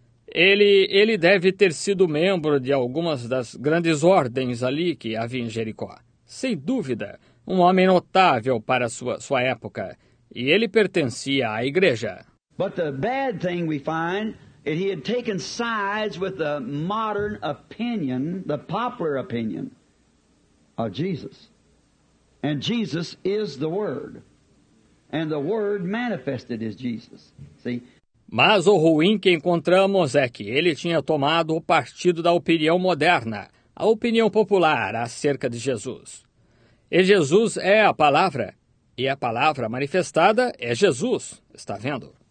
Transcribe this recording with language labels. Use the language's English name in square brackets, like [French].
[Portuguese] Ele deve ter sido membro de algumas das grandes ordens ali que havia em Jericó. Sem dúvida, um homem notável para sua época, e ele pertencia à igreja. [English] But the bad thing we find is he had taken sides with the modern opinion, the popular opinion of Jesus. And Jesus is the Word. And the Word manifested is Jesus. See? [Portuguese] Mas o ruim que encontramos é que ele tinha tomado o partido da opinião moderna, a opinião popular acerca de Jesus. E Jesus é a palavra, e a palavra manifestada é Jesus, está vendo?